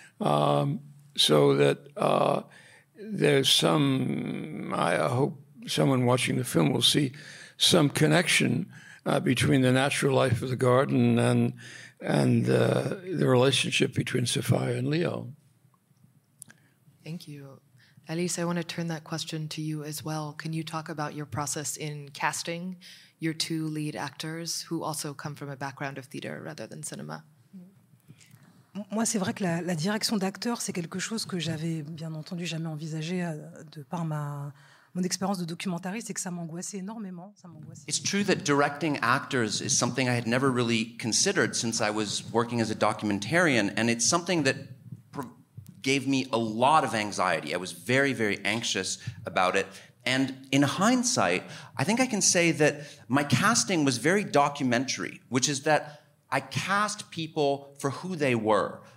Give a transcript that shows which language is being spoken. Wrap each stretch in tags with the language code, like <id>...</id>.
<en>I hope someone watching the film will see some connection between the natural life of the garden and the relationship between Sophia and Leo. Thank you. Alice, I want to turn that question to you as well. Can you talk about your process in casting your two lead actors who also come from a background of theater rather than cinema?</en> <fr>Moi, c'est vrai que la direction d'acteur, c'est quelque chose que j'avais bien entendu jamais envisagé de par mon expérience de documentariste et que ça m'angoissait énormément.</fr> <en>It's true that directing actors is something I had never really considered since I was working as a documentarian, and it's something that gave me a lot of anxiety. I was very, very anxious about it. And in hindsight, I think I can say that my casting was very documentary, which is that I cast people for who they were.</en>